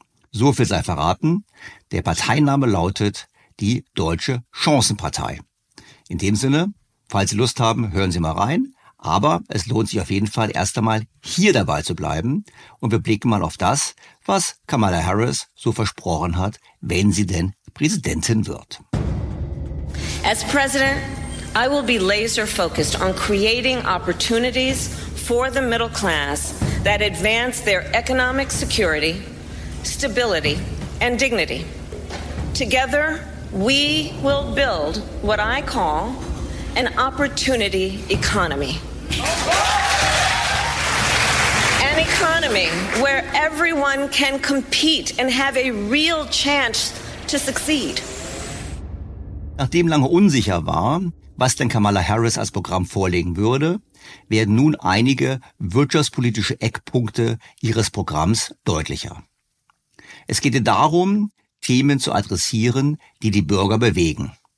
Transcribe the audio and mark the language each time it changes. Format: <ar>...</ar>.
<de>So viel sei verraten, der Parteiname lautet die Deutsche Chancenpartei. In dem Sinne, falls Sie Lust haben, hören Sie mal rein, aber es lohnt sich auf jeden Fall erst einmal hier dabei zu bleiben und wir blicken mal auf das, was Kamala Harris so versprochen hat, wenn sie denn Präsidentin wird.</de> <en>As president, I will be laser focused on creating opportunities for the middle class that advance their economic security, stability, and dignity. Together, we will build what I call an opportunity economy. An economy where everyone can compete and have a real chance to succeed.</en> <de>Nachdem lange unsicher war, was denn Kamala Harris als Programm vorlegen würde, werden nun einige wirtschaftspolitische Eckpunkte ihres Programms deutlicher. Es geht ihr darum, Themen zu adressieren, die die Bürger bewegen.</de>